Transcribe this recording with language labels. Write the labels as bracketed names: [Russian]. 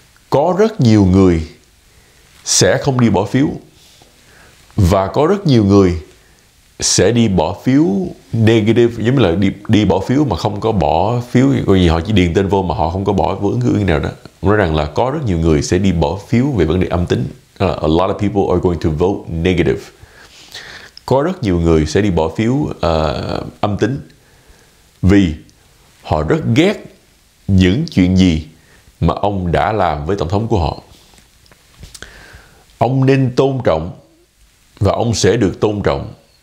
[Vietnamese] Có rất nhiều người sẽ không đi bỏ phiếu. Và có rất nhiều người sẽ đi bỏ phiếu negative, giống như là đi bỏ phiếu mà không có bỏ phiếu, coi như họ chỉ điền tên vô mà họ không có bỏ phiếu ứng cử viên nào đó. Nói rằng là có rất nhiều người sẽ đi bỏ phiếu về vấn đề âm tính. [English] A lot of people are going to vote negative. [Vietnamese] Có rất nhiều người sẽ đi bỏ phiếu âm tính vì họ rất ghét những chuyện gì mà ông đã làm với tổng thống của họ. Ông nên tôn trọng và ông sẽ được tôn trọng.